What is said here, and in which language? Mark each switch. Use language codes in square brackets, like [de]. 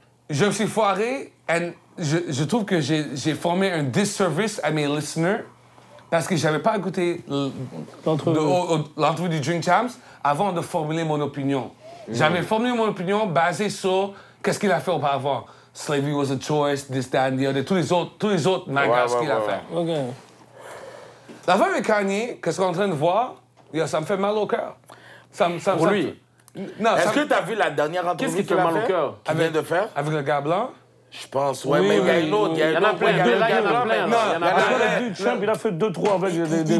[fr] Je me suis foiré et je trouve que j'ai formé un disservice à mes listeners Parce que j'avais pas écouté l'entrevue du Drink Champs avant de formuler mon opinion. J'avais formulé mon opinion basée sur qu'est-ce qu'il a fait auparavant. [en] Slavery was a choice, this, that, and the other. [fr] Tous les autres magas qu'il a fait. OK. La femme avec Kanye, qu'est-ce qu'on est en train de voir, ça me fait mal au cœur. Pour lui? Non, est-ce que t'as vu la dernière entrevue qu'est-ce qui fait mal au cœur? Qu'il vient de faire? Avec le gars blanc? Je pense, ouais, oui, mais il y a une autre. Il a fait deux, trois avec des